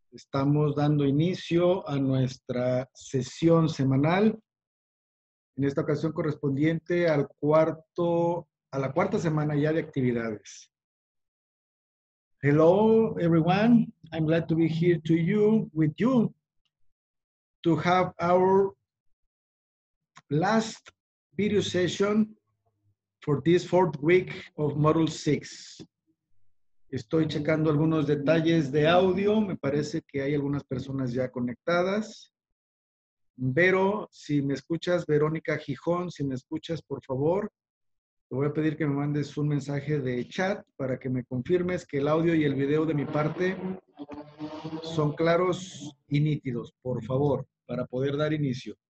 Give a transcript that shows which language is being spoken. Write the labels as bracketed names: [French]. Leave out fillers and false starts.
[Spanish] Estamos dando inicio a nuestra sesión semanal, en esta ocasión correspondiente a la cuarta semana ya de actividades. [English] Hello, everyone. I'm glad to be here to you, with you, to have our last video session for this fourth week of Module 6. [Spanish] Estoy checando algunos detalles de audio. Me parece que hay algunas personas ya conectadas. Vero, si me escuchas, Verónica Gijón, si me escuchas, por favor, te voy a pedir que me mandes un mensaje de chat para que me confirmes que el audio y el video de mi parte son claros y nítidos, por favor, para poder dar inicio.